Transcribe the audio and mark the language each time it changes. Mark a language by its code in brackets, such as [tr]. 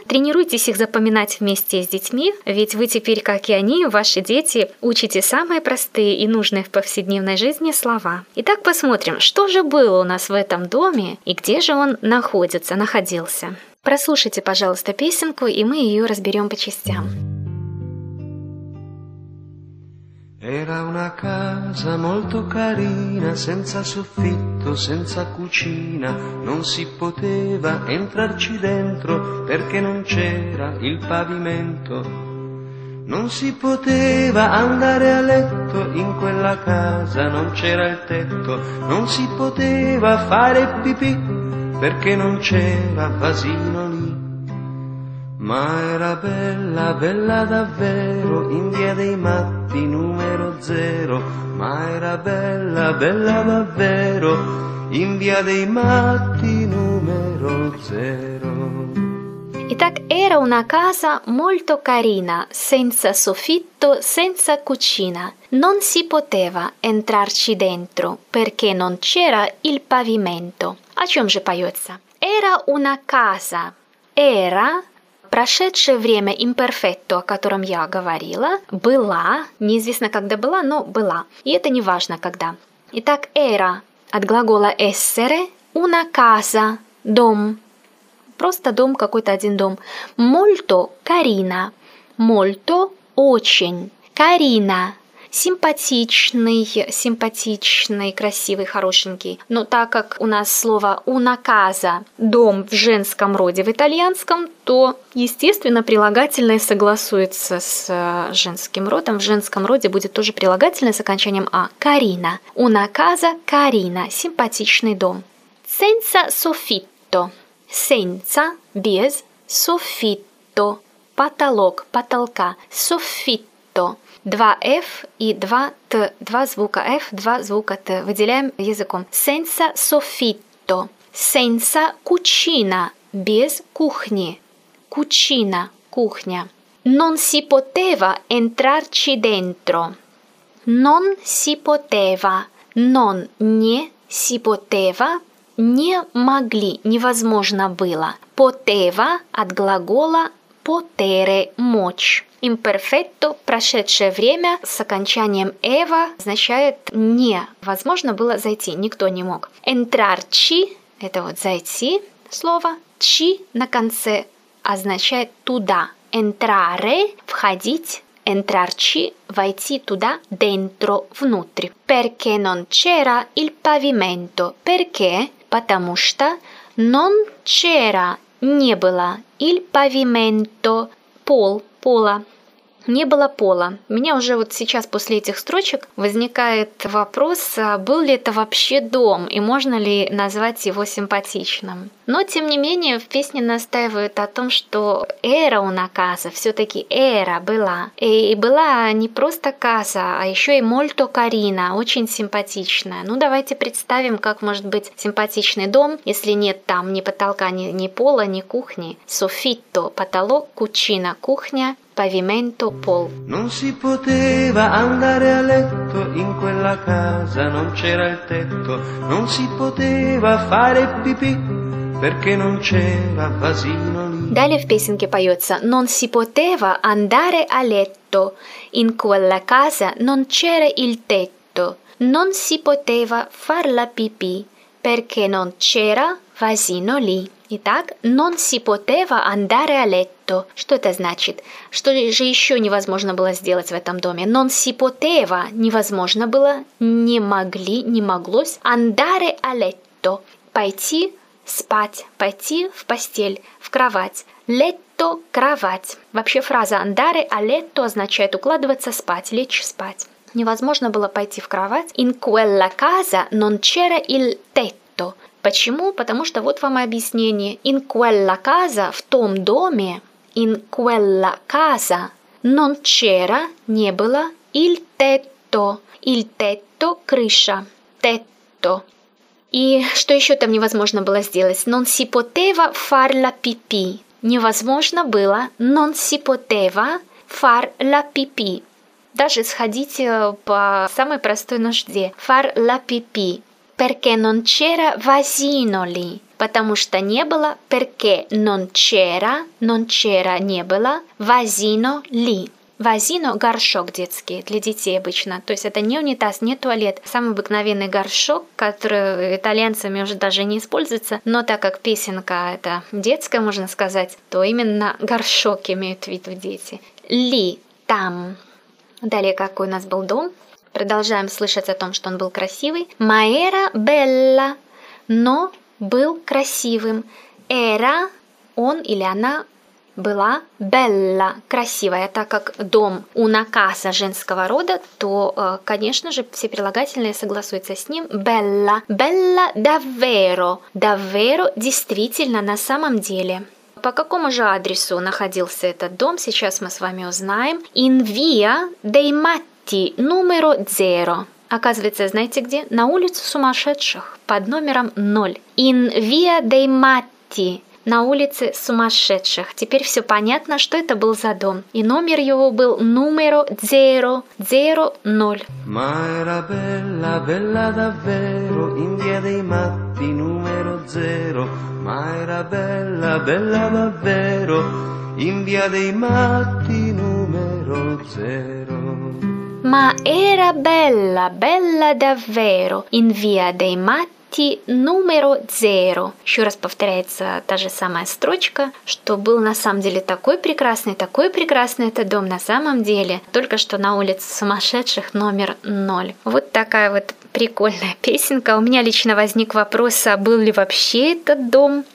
[ru] Тренируйтесь их запоминать вместе с детьми, ведь вы теперь, как и они, ваши дети, учите самые простые и нужные в повседневной жизни слова. Итак, посмотрим, что же было у нас в этом доме и где же он находился. Прослушайте, пожалуйста, песенку, и мы ее разберем по частям. [it] Era una casa molto carina, senza soffitto, senza cucina. Non si poteva entrarci dentro perché non c'era il pavimento. Non si poteva andare a letto in quella casa, non c'era il tetto. Non si poteva fare pipì perché non c'era vasino lì. Ma era bella, bella davvero, in via dei matti numero zero. Ma era bella, bella davvero, in via dei matti numero zero. [ru] Итак, [it] era una casa molto carina, senza soffitto, senza cucina. Non si poteva entrarci dentro, perché non c'era il pavimento. [ru] О чем же поется? [it] Era una casa. Era... [ru] Прошедшее время imperfetto, о котором я говорила, была, неизвестно когда была, но была. И это не важно когда. Итак, era от глагола essere, una casa, дом. Просто дом, какой-то один дом. [it] Molto carina, molto [ru] очень, [it] carina. [ru] Симпатичный, симпатичный, красивый, хорошенький. Но так как у нас слово «una casa» – дом в женском роде в итальянском, то, естественно, прилагательное согласуется с женским родом. В женском роде будет тоже прилагательное с окончанием «а» – «carina». «Una casa» – «carina» – симпатичный дом. «Senza soffitto» – «senza» – «без», «soffitto» – «потолок», «потолка», «soffitto». Два F и два Т. Два звука F, два звука Т. Выделяем языком. [it] Senza soffitto. Senza cucina. [ru] Без кухни. Cucina. Кухня. [it] Non si poteva entrarci dentro. Non si poteva. Non [ru] не [it] si poteva. [ru] Не могли. Невозможно было. Poteva от глагола potere. Мочь. Imperfetto, прошедшее время, с окончанием «eva» означает «не». Возможно было зайти, никто не мог. Entrarci, это вот «зайти» слово. Ci на конце означает «туда». Entrare, входить. Entrarci, войти туда, dentro, внутрь. [it] Perché non c'era il pavimento? Perché? [ru] Потому что [it] non c'era, [ru] не было, [it] il pavimento, [ru] пол, пола. Не было пола. У меня уже вот сейчас после этих строчек возникает вопрос, был ли это вообще дом и можно ли назвать его симпатичным. Но, тем не менее, в песне настаивают о том, что [it] era una casa, [ru] всё-таки era была. И была не просто casa, а еще и molto carina, очень симпатичная. Ну, давайте представим, как может быть симпатичный дом, если нет там ни потолка, ни пола, ни кухни. Soffitto – потолок, cucina – кухня. [it] Pavimento, pol. Non si poteva andare a letto in quella casa, non c'era il tetto. Non si poteva fare pipì perché non c'era vasino lì. [ru] Далее в песенке поется [it] «Non si poteva andare a letto in quella casa, non c'era il tetto. Non si poteva far la pipì perché non c'era vasino lì». [ru] Итак, [it] non si poteva andare a letto. [ru] Что это значит? Что же еще невозможно было сделать в этом доме? [it] Non si poteva, [ru] невозможно было, не могли, не моглось, [it] andare a letto, [ru] пойти спать, пойти в постель, в кровать. Letto. letto, кровать. Вообще фраза andare a letto означает укладываться спать, лечь спать. Невозможно было пойти в кровать. [it] In quella casa non c'era il tetto. [ru] Почему? Потому что вот вам и объяснение. [it] In quella casa, [ru] в том доме, [it] in quella casa, non c'era, [ru] не было, [it] il tetto. Il tetto, крыша. Tetto. [ru] И что еще там невозможно было сделать? [it] Non si poteva far la pipì. [ru] Невозможно было. [it] Non si poteva far la pipì. [ru] Даже сходить по самой простой нужде. [it] Far la pipì. Perché non c'era vasinoli. [ru] Потому что не было. [it] Perché non c'era. Non c'era, [ru] не было. [it] Vasinoli. [ru] Вазино – горшок детский, для детей обычно. То есть это не унитаз, не туалет. Самый обыкновенный горшок, который итальянцами уже даже не используется. Но так как песенка – это детская, можно сказать, то именно горшок имеют в виду дети. Ли – там. Далее, какой у нас был дом? Продолжаем слышать о том, что он был красивый. [it] Ma era bella. [ru] Но был красивым. Era – он или она – была bella, красивая, так как дом una casa женского рода, то, конечно же, все прилагательные согласуются с ним. Bella, bella davvero, davvero, действительно, на самом деле. По какому же адресу находился этот дом, сейчас мы с вами узнаем. [it] In via dei matti, numero zero. [ru] Оказывается, знаете где? На улице сумасшедших, под номером 0. In via dei matti. На улице сумасшедших. Теперь все понятно, что это был за дом. И номер его был [it] numero zero, zero, [ru] ноль. [it] Ma era bella, bella davvero, in via dei matti numero zero. Ma era bella, bella davvero, in via dei matti numero zero. Ma era bella, bella davvero, in via dei matti. Numero zero. [ru] Еще раз повторяется та же самая строчка, что был на самом деле такой прекрасный этот дом на самом деле, только что на улице сумасшедших номер 0. Вот такая вот прикольная песенка. У меня лично возник вопрос, а был ли вообще этот дом?